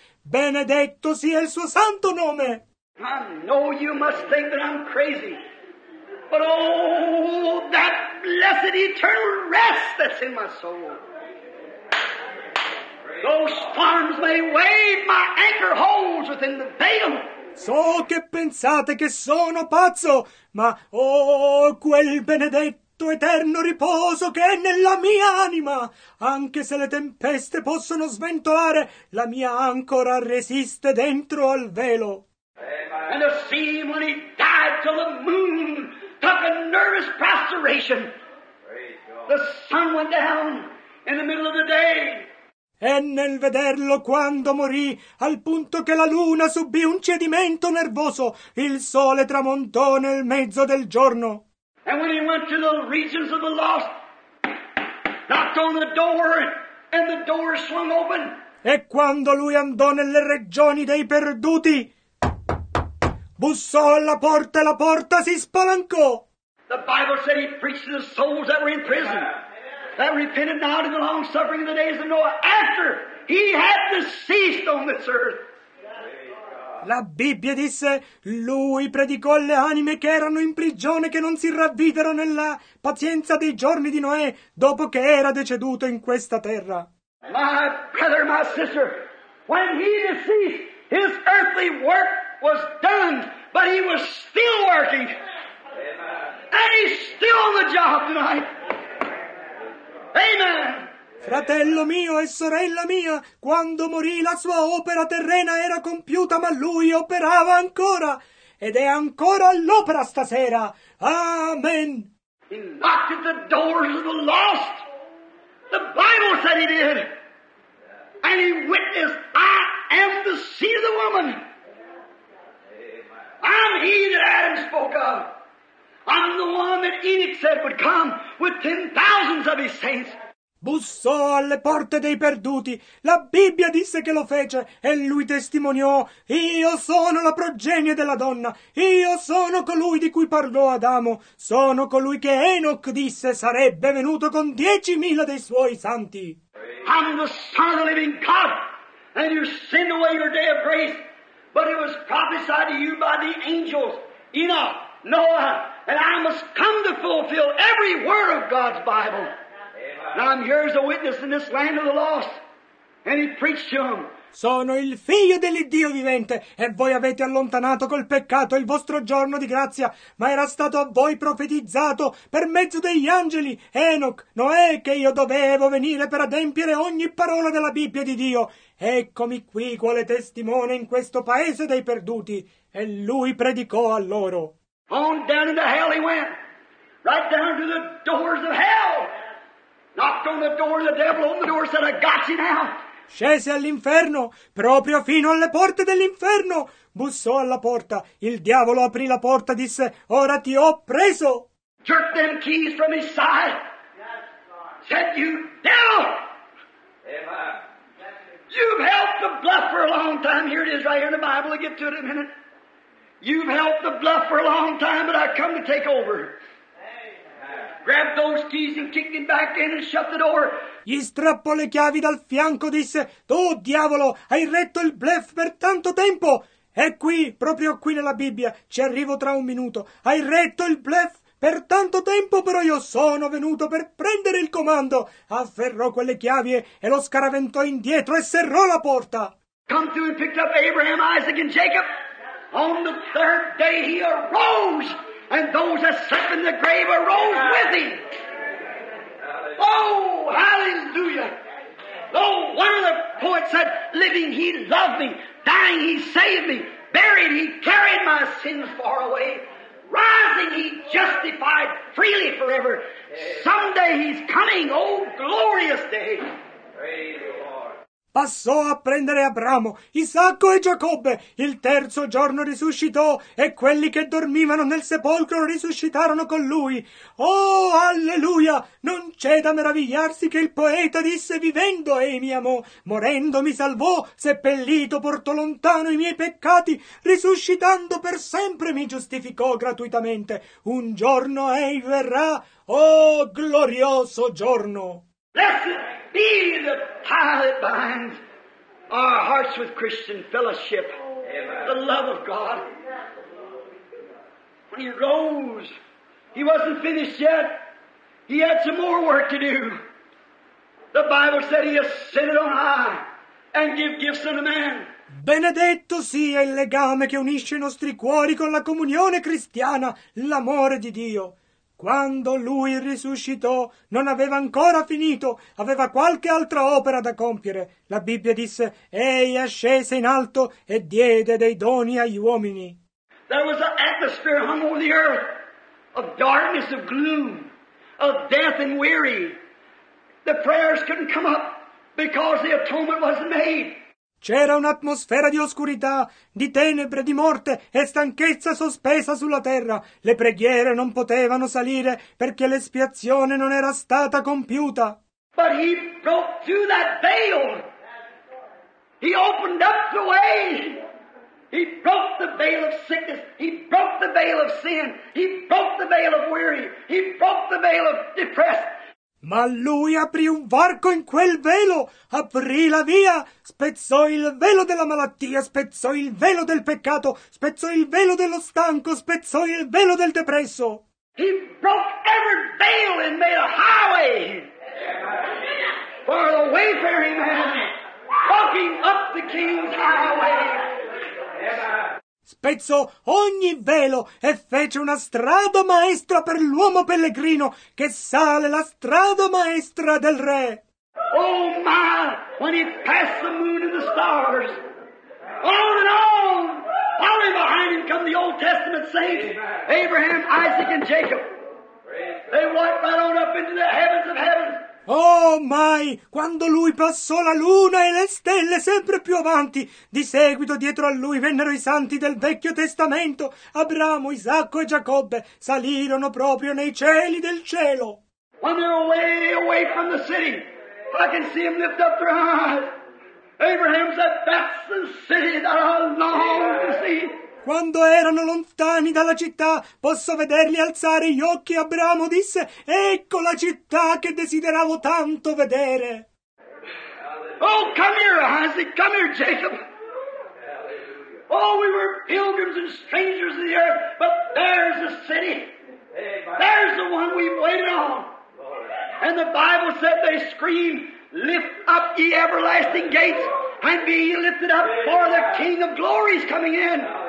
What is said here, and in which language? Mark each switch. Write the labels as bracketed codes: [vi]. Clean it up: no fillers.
[it] Benedetto sia il suo santo nome! [en] I know you must think that I'm crazy, but oh, that blessed eternal rest that's in my soul! Those storms may wave, my anchor holds within the veil. [it] So che pensate che sono pazzo, ma oh, quel benedetto eterno riposo che è nella mia anima. Anche se le tempeste possono sventolare, la mia ancora resiste dentro al velo. [en] Amen. And the sea when he died till the moon took a nervous prostration. The sun went down in the middle of the day. [it] E nel vederlo quando morì, al punto che la luna subì un cedimento nervoso, il sole tramontò nel mezzo del giorno. [en] And when he went to the regions of the lost, knocked on the door, and the door swung open. [it] E quando lui andò nelle regioni dei perduti, bussò alla porta e la porta si spalancò. [en] The Bible said he preached to the souls that were in prison. That repented not of the long suffering in the days of Noah after he had deceased on this earth. [it] La Bibbia disse, lui predicò alle anime che erano in prigione che non si ravvidero nella pazienza dei giorni di Noè dopo che era deceduto in questa terra. [en] My brother, my sister, when he deceased, his earthly work was done, but he was still working. And he's still on the job tonight. Amen. [it] Fratello mio e sorella mia, quando morì la sua opera terrena era compiuta, ma lui operava ancora ed è ancora all'opera stasera. [en] Amen. He knocked at the doors of the lost. The Bible said he did. And he witnessed, I am the seed of the woman. I'm he that Adam spoke of. I'm the one that Enoch said would come with 10,000s of his saints. [it] Bussò alle porte dei perduti. La Bibbia disse che lo fece e lui testimoniò: io sono la progenie della donna, io sono colui di cui parlò Adamo, sono colui che Enoch disse sarebbe venuto con 10.000 dei suoi santi. [en] I'm the son of the living God, and you send away your day of grace, but it was prophesied to you by the angels Enoch, Noah, and I must come to fulfill every word of God's Bible. Now I'm here as a witness in this land of the lost. And he preached to him. [it] Sono il figlio dell'Iddio vivente, e voi avete allontanato col peccato il vostro giorno di grazia, ma era stato a voi profetizzato per mezzo degli angeli, Enoch, Noè, che io dovevo venire per adempiere ogni parola della Bibbia di Dio. Eccomi qui quale testimone in questo paese dei perduti. E lui predicò a loro. [en] On down into hell he went, right down to the doors of hell. Knocked on the door, the devil opened the door and said, I got you now. [it] Scese all'inferno, proprio fino alle porte dell'inferno. Bussò alla porta. Il diavolo aprì la porta e disse, ora ti ho preso. [en] Jerked them keys from his side. Yes, God. Said, you devil. Amen. You've helped the bluff for a long time. Here it is right here in the Bible. I'll get to it in a minute. You've helped the bluff for a long time, but I've come to take over. Grab those keys and kick him back in and shut the door. [it] Gli strappò le chiavi dal fianco, disse, tu, diavolo, hai retto il bluff per tanto tempo. E qui, proprio qui nella Bibbia, ci arrivo tra un minuto. Hai retto il bluff per tanto tempo, però io sono venuto per prendere il comando. Afferrò quelle chiavi e lo scaraventò indietro e serrò la porta. [en] Come through and picked up Abraham, Isaac and Jacob. On the third day he arose. And those that sat in the grave arose with him. Oh, hallelujah. Though one of the poets said, living he loved me, dying he saved me, buried he carried my sins far away, rising he justified freely forever. Someday he's coming, oh glorious day. [it] Passò a prendere Abramo, Isacco e Giacobbe. Il terzo giorno risuscitò e quelli che dormivano nel sepolcro risuscitarono con lui. Oh, alleluia! Non c'è da meravigliarsi che il poeta disse, vivendo e mi amò, morendo mi salvò, seppellito portò lontano i miei peccati, risuscitando per sempre mi giustificò gratuitamente. Un giorno ei verrà, oh glorioso giorno! [en] Be the tie that binds our hearts with Christian fellowship, Amen. The love of God. When he rose, he wasn't finished yet. He had some more work to do. The Bible said he ascended on high and gave gifts unto man. [it] Benedetto sia il legame che unisce i nostri cuori con la comunione cristiana, l'amore di Dio. Quando lui risuscitò, non aveva ancora finito, aveva qualche altra opera da compiere. La Bibbia disse, ei ascese in alto e diede dei doni agli uomini. [en] There was an atmosphere hung over the earth of darkness, of gloom, of death and weary. The prayers couldn't come up because the atonement wasn't made. [it] C'era un'atmosfera di oscurità, di tenebre, di morte e stanchezza sospesa sulla terra. Le preghiere non potevano salire perché l'espiazione non era stata compiuta. [en] But he broke through that veil. He opened up the way. He broke the veil of sickness. He broke the veil of sin. He broke the veil of weary. He broke the veil of depressed. [it] Ma lui aprì un varco in quel velo, aprì la via, spezzò il velo della malattia, spezzò il velo del peccato, spezzò il velo dello stanco, spezzò il velo del depresso. [en] He broke every veil and made a highway for the wayfaring man, walking up the king's highway. [it] Spezzò ogni velo e fece una strada maestra per l'uomo pellegrino che sale la strada maestra del re. [en] Oh my, when he passed the moon and the stars, on and on, following behind him come the Old Testament saints, Abraham, Isaac and Jacob. They walked right on up into the heavens of heaven. [it] Oh mai, quando lui passò la luna e le stelle sempre più avanti, di seguito dietro a lui vennero i santi del Vecchio Testamento, Abramo, Isacco e Giacobbe, salirono proprio nei cieli del cielo. [en] When they're away from the city, I can see them lift up their eyes. Abraham said, that's the city that I long to see. [it] Quando erano lontani dalla città, posso vederli alzare gli occhi. Abramo disse, ecco la città che desideravo tanto vedere. [en] Oh, come here, Isaac, come here, Jacob. Oh, we were pilgrims and strangers in the earth, but there's the city. There's the one we've waited on. And the Bible said they scream, lift up ye everlasting gates and be ye lifted up, for the King of Glory is coming in.